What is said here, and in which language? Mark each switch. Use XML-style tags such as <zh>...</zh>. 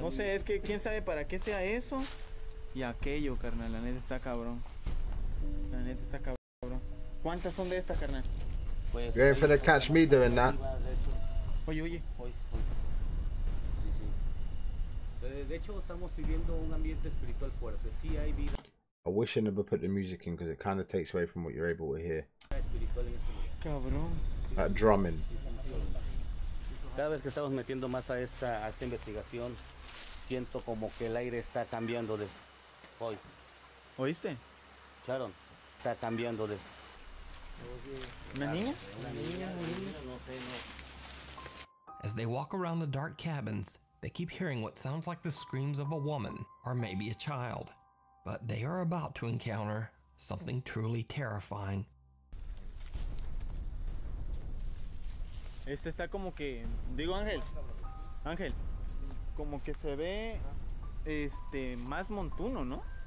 <es>No sé, es que quién sabe para qué sea eso y aquello, carnal, la neta está cabrón. La neta está cabrón. ¿Cuántas son de estas, carnal?</es> <en>Pues you're gonna catch me doing that.</en> <es>Oye. Sí. De hecho estamos viviendo un ambiente espiritual fuerte. Sí hay vida.</es> <en>I wish I never put the music in because it kind of takes away from what you're able to hear.</en> <es>Cabrón.</es> <en>That drumming.</en> <es>Cada vez que estamos metiendo más a esta investigación, siento como que el aire está cambiando de hoy. ¿Oíste? Charon, está cambiando de... ¿Una niña? No sé.</es> <en>As they walk around the dark cabins, they keep hearing what sounds like the screams of a woman, or maybe a child. But they are about to encounter something truly terrifying.</en> <es>Este está como que, digo Ángel, Ángel, como que se ve más montuno, ¿no?</es>